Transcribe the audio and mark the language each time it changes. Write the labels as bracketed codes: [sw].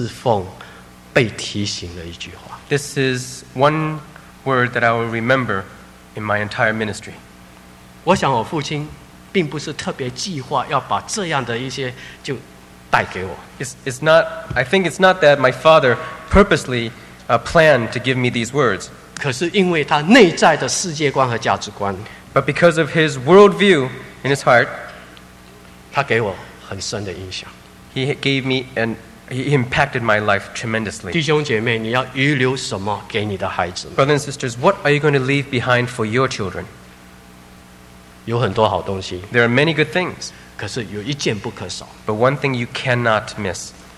[zh] 成为我一生侍奉被提醒的一句话。 [en] This is one word that I will remember in my entire ministry. [zh] 我想我父亲并不是特别计划要把这样的一些就 [en] I think it's not that my father purposely planned to give me these words. [zh] 可是因为他内在的世界观和价值观, [en] but because of his worldview in his heart, [zh] 他给我很深的影响。 [en] He gave me and he impacted my life tremendously. [zh] 弟兄姐妹，你要遗留什么给你的孩子？ [en] Brothers and sisters, what are you going to leave behind for your children? [zh] 有很多好东西。 [en] There are many good things. [zh] 可是有一件不可少, [en] but one thing you cannot miss,